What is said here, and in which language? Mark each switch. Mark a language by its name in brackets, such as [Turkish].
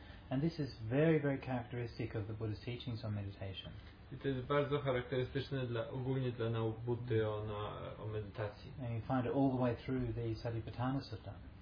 [English] And this is very, very characteristic of the Buddha's teachings on meditation. [Polish] I to jest bardzo charakterystyczne ogólnie dla nauk Buddy o medytacji. [English] And you find it all the way through the Satipatthana Sutta.